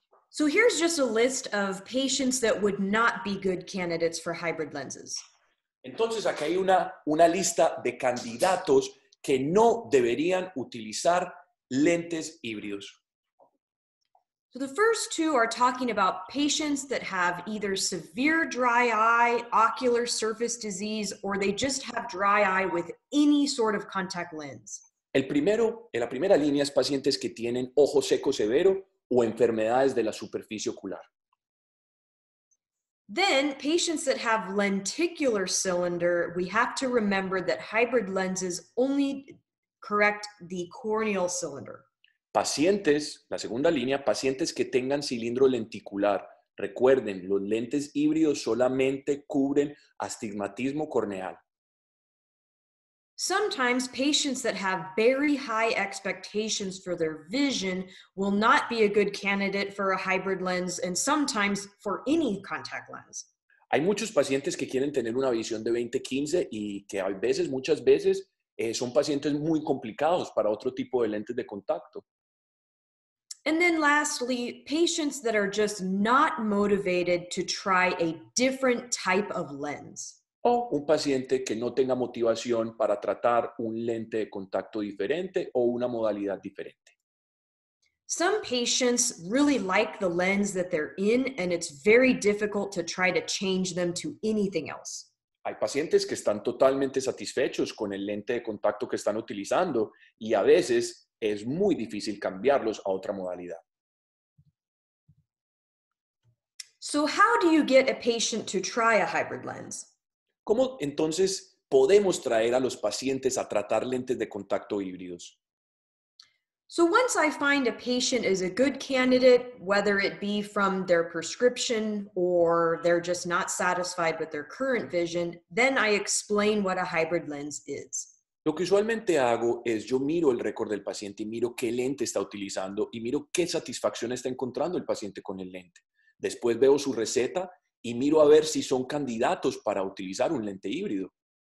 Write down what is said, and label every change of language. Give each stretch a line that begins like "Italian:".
English: So here's just a list of patients that would not be good candidates for hybrid lenses.
Spanish: Entonces, acá hay una lista de candidatos que no deberían utilizar lentes híbridos.
English: So the first two are talking about patients that have either severe dry eye, ocular surface disease, or they just have dry eye with any sort of contact lens.
Spanish: El primero, en la primera línea, es pacientes que tienen ojo seco severo o enfermedades de la superficie ocular.
English: Then, patients that have lenticular cylinder, we have to remember that hybrid lenses only correct the corneal cylinder.
Spanish: Pacientes, la segunda línea, pacientes que tengan cilindro lenticular. Recuerden, los lentes híbridos solamente cubren astigmatismo corneal.
English: Sometimes patients that have very high expectations for their vision will not be a good candidate for a hybrid lens, and sometimes for any contact lens.
Spanish: Hay muchos pacientes que quieren tener una visión de 20-15 y que a veces, muchas veces, son pacientes muy complicados para otro tipo de lentes de contacto.
English: And then lastly, patients that are just not motivated to try a different type of lens.
Spanish: O un paciente que no tenga motivación para tratar un lente de contacto diferente o una modalidad diferente.
English: Some patients really like the lens that they're in, and it's very difficult to try to change them to anything else.
Spanish: Hay pacientes que están totalmente satisfechos con el lente de contacto que están utilizando y a veces es muy difícil cambiarlos a otra modalidad.
English: So how do you get a patient to try a hybrid lens?
Spanish: ¿Cómo entonces podemos traer a los pacientes a tratar lentes de contacto híbridos?
English: So once I find a patient is a good candidate, whether it be from their prescription or they're just not satisfied with their current vision, then I explain what a hybrid lens is.
Spanish: Lo que usualmente hago es yo miro el récord del paciente y miro qué lente está utilizando y miro qué satisfacción está encontrando el paciente con el lente. Después veo su receta y miro a ver si son candidatos para utilizar un lente híbrido.